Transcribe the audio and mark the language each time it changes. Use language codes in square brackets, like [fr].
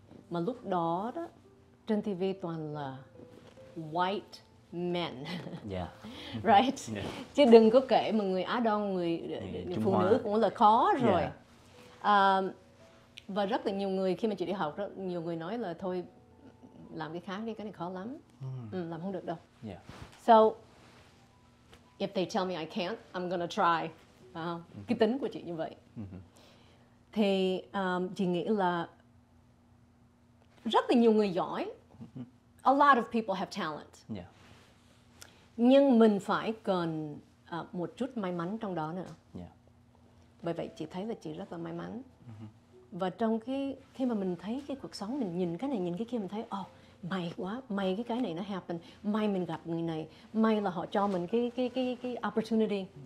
[vi] Mà lúc đó trên TV toàn là [en] white men. Yeah. Right? Yeah. [vi] Chứ đừng có kể mà người Á Đông, người phụ nữ cũng là khó rồi. Và rất là nhiều người khi mà chị đi học, rất nhiều người nói là thôi làm cái khác đi, cái này khó lắm. Làm không được đâu. Yeah. [en] So if they tell me I can't, I'm gonna try. [vi] Cái tính của chị như vậy. Thì chị nghĩ là rất là nhiều người giỏi. [en] A lot of people have talent. Yeah. [vi] Nhưng mình phải cần một chút may mắn trong đó nữa. Yeah. Bởi vậy chị thấy là chị rất là may mắn. Và trong cái khi mà mình thấy cái cuộc sống, mình nhìn cái này nhìn cái kia, mình thấy oh, may quá, may cái này nó happen, may mình gặp người này, may là họ cho mình cái opportunity.